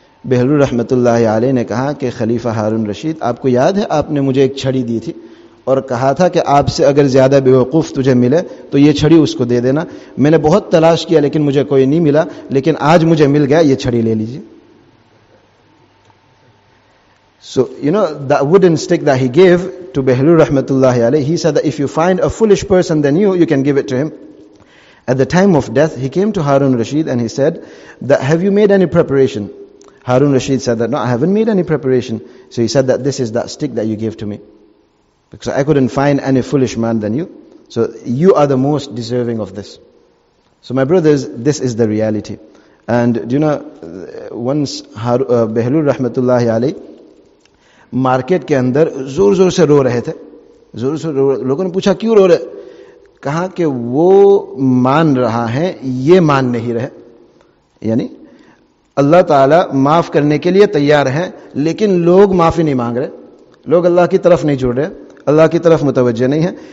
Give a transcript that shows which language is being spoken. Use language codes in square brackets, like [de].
[ur] بہلول رحمۃ اللہ علیہ نے کہا کہ خلیفہ ہارون رشید آپ کو یاد ہے آپ نے مجھے ایک چھڑی دی تھی اور کہا تھا کہ آپ سے اگر زیادہ بیوقوف تجھے ملے تو یہ چھڑی اس کو دے دینا. میں نے بہت تلاش کیا لیکن مجھے کوئی نہیں ملا, لیکن آج مجھے مل گیا, یہ چھڑی لے لیجیے. [en] So you know the wooden stick that he gave to Behlul Rahmatullah Alayh, he said that if you find a foolish person than you can give it to him. At the time of death he came to Harun Rashid and he said that have you made any preparation? Harun Rashid said that no, I haven't made any preparation. So he said that this is that stick that you gave to me, because I couldn't find any foolish man than you, so you are the most deserving of this. So my brothers, this is the reality. And do you know, once Behlul Rahmatullah Alayh [ur] market کے اندر زور زور سے رو رہے تھے, زور زور رو رہے. لوگوں نے پوچھا کیوں رو رہے؟ کہا کہ وہ مان رہا ہے, یہ مان نہیں رہے, یعنی اللہ تعالیٰ معاف کرنے کے لیے تیار ہیں لیکن لوگ معافی نہیں مانگ رہے, لوگ اللہ کی طرف نہیں جڑ رہے, اللہ کی طرف متوجہ نہیں ہیں.